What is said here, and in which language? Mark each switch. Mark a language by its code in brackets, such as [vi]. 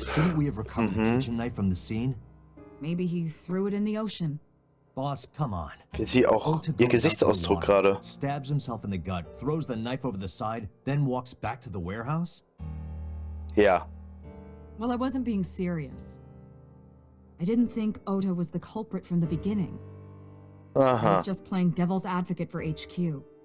[en] Shouldn't we have recovered the kitchen knife from the scene? Maybe he threw it in the ocean. Boss, come on. [de] Ich sehe auch ihr Gesichtsausdruck gerade. [en] Stabs himself in the gut, throws the knife over the side, then walks back to the warehouse? [de] Ja. [en] Well, I wasn't being serious. I didn't think Ota was the culprit from the beginning. Uh-huh. He was just playing devil's advocate for HQ.